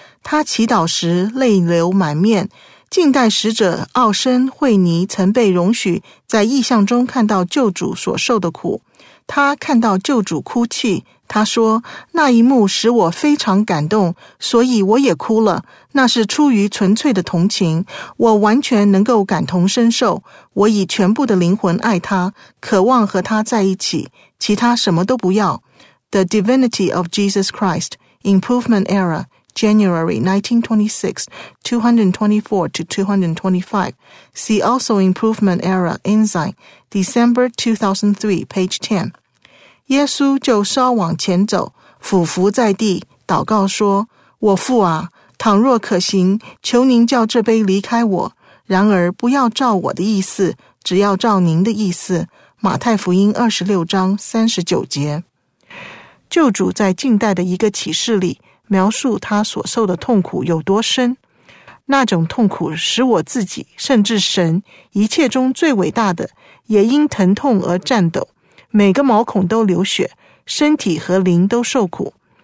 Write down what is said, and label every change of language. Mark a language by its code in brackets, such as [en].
[zh] 他祈祷时泪流满面，近代使者奥申惠尼曾被容许在异象中看到救主所受的苦，他看到救主哭泣，他说，那一幕使我非常感动，所以我也哭了，那是出于纯粹的同情，我完全能够感同身受，我以全部的灵魂爱他，渴望和他在一起，其他什么都不要。 [en] The Divinity of Jesus Christ, Improvement Era, January 1926, 224-225, See also Improvement Era, Ensign, December 2003, page 10. [zh] 耶稣就稍往前走，俯伏在地，祷告说，我父啊，倘若可行，求您叫这杯离开我，然而不要照我的意思，只要照您的意思。马太福音26章39节。救主在近代的一个启示里描述他所受的痛苦有多深，那种痛苦使我自己，甚至神，一切中最伟大的，也因疼痛而颤抖，每个毛孔都流血，身体和灵都受苦。